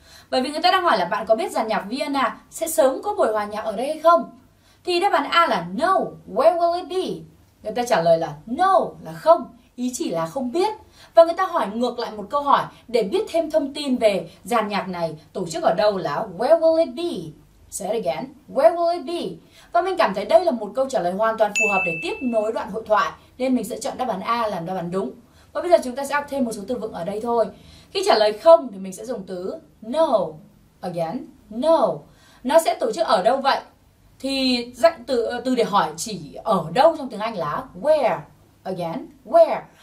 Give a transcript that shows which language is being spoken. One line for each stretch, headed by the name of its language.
Vietnamese: Bởi vì người ta đang hỏi là bạn có biết dàn nhạc Vienna sẽ sớm có buổi hòa nhạc ở đây hay không? Thì đáp án A là
English: no, where will it be?
Vietnamese: Người ta trả lời là no, là không, ý chỉ là không biết. Và người ta hỏi ngược lại một câu hỏi để biết thêm thông tin về dàn nhạc này tổ chức ở đâu là
English: where will it be? Say it again, where will it be?
Vietnamese: Và mình cảm thấy đây là một câu trả lời hoàn toàn phù hợp để tiếp nối đoạn hội thoại, nên mình sẽ chọn đáp án A làm đáp án đúng. Và bây giờ chúng ta sẽ học thêm một số từ vựng ở đây thôi. Khi trả lời không thì mình sẽ dùng từ no.
English: Again, no.
Vietnamese: Nó sẽ tổ chức ở đâu vậy? Thì dạng từ để hỏi chỉ ở đâu trong tiếng Anh là where.
English: Again, where.